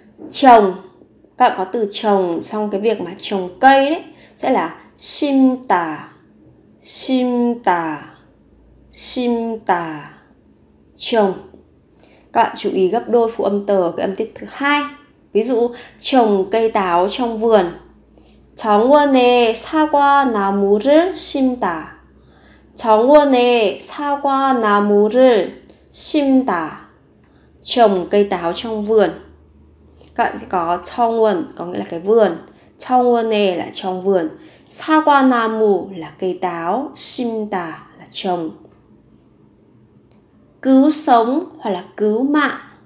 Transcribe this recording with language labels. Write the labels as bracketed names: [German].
[Vietnamese] Trồng. Các bạn có từ trồng trong cái việc mà trồng cây đấy sẽ là 심다. [Korean] 심다, 심다, trồng. [Vietnamese] Các bạn chú ý gấp đôi phụ âm tờ cái âm tiết thứ hai. Ví dụ trồng cây táo trong vườn. [Korean] 정원에 사과나무를 심다. 정원에 사과나무를 심다. [Vietnamese] Trồng cây táo trong vườn. Các bạn có 정원 có nghĩa là cái vườn. 정원에 là trong vườn. 사과나무 là cây táo, 심다 là trồng. Cứu sống hoặc là cứu mạng.